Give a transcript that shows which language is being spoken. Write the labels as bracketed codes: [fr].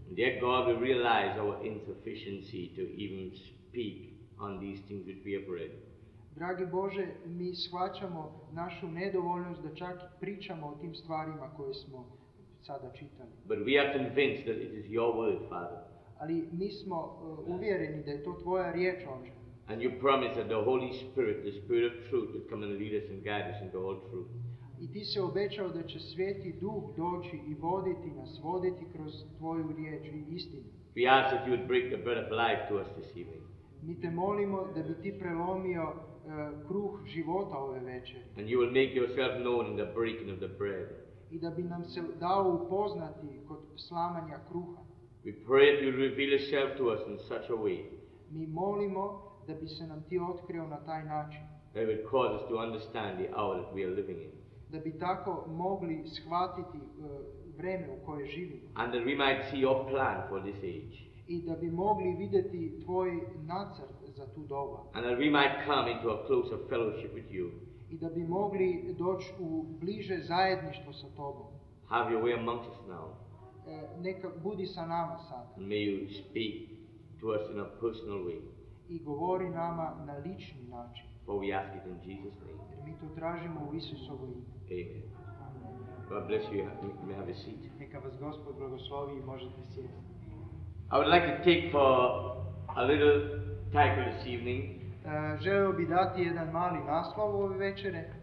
[en] Dear God, we realize our insufficiency to even speak on these things which we have read. [hr] Dragi Bože, mi shvaćamo našu nedovoljnost da čak pričamo o tim stvarima koje smo sada čitali. [en] But we are convinced that it is your word, Father. [hr] Ali mi smo uvjereni da je to tvoja riječ, Ože. [en] And you promise that the Holy Spirit, the Spirit of truth, would come and lead us and guide us into all truth. [hr] I ti se obećao da će Sveti Duh doći i voditi nas, voditi kroz tvoju riječ i istinu. [en] We ask that you would break the bread of life to us this evening. [hr] Mi te molimo da bi ti prelomio kruh života ove večeri. [en] And you will make yourself known in the breaking of the bread. [hr] I da bi nam se dao upoznati kod slamanja kruha. [en] We pray that you reveal yourself to us in such a way. [hr] Mi molimo da bi se nam ti otkrio na taj način. [en] That would cause us to understand the hour that we are living in. [hr] Da bi tako mogli shvatiti vreme u koje živimo. [en] And that we might see your plan for this age. [hr] I da bi mogli vidjeti tvoj nacrt za tu dobu. [en] And that we might come into a closer fellowship with you. [hr] I da bi mogli doći u bliže zajedništvo sa tobom. [en] Have your way amongst us now. [hr] Neka budi sa nama sad. [en] And may you speak to us in a personal way. [hr] I govori nama na lični način. [en] For we ask it in Jesus' name. [hr] Mi to tražimo u Isusovo ime. [en] Amen. God bless you. May have a seat. [hr] Neka vas Gospod blagoslovi i možete sjesti. [en] I would like to take for a little title this evening. [hr] Želio bih dati jedan mali naslov ove večere.